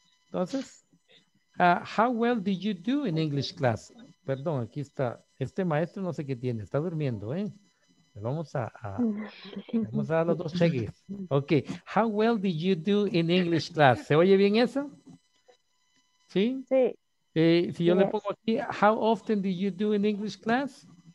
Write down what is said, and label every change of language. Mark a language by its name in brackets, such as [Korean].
[English] Entonces, how well did you do in English class? [Spanish] Perdón, aquí está. Este maestro no sé qué tiene, está durmiendo, ¿eh? Vamos a dar los dos cheques. [English] Ok, how well did you do in English class? [Spanish] ¿Se oye bien eso? ¿Sí? Sí. Si yo le pongo aquí, [English] how often did you do in English class?